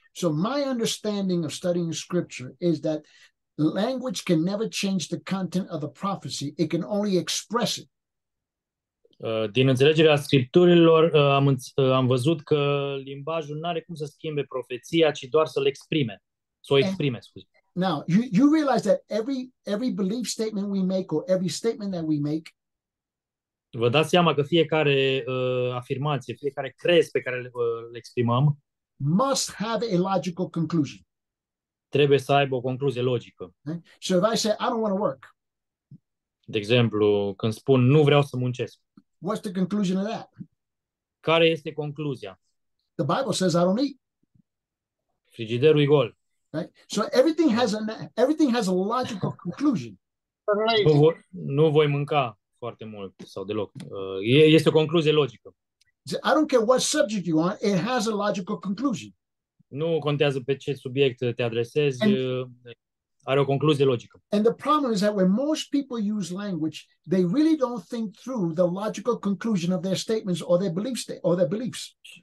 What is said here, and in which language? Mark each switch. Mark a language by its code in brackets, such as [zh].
[en] So my understanding of studying scripture is that language can never change the content of the prophecy, it can only express it. [ro] Din înțelegerea scripturilor am văzut că limbajul nu are cum să schimbe profeția, ci doar să-l exprime, să o exprime. [en] Now, you realize that every belief statement we make or every statement that we make, [ro] vă dați seama că fiecare afirmație, fiecare crez pe care le exprimăm, [en] must have a logical conclusion. [ro] Trebuie să aibă o concluzie logică. [en] Okay? So if I say, I don't want to work. [ro] De exemplu, când spun, nu vreau să muncesc. [en] What's the conclusion of that? [ro] Care este concluzia? [en] The Bible says I don't eat. [ro] Frigiderul e gol. [en] Right? So everything has a logical conclusion. [ro] Nu voi mânca foarte mult sau deloc. Este o concluzie logică. [en] I don't care what subject you are, it has a logical conclusion. [ro] Nu contează pe ce subiect te adresezi, are o concluzie logică. [en] And the problem is that when most people use language, they really don't think through the logical conclusion of their statements or their beliefs.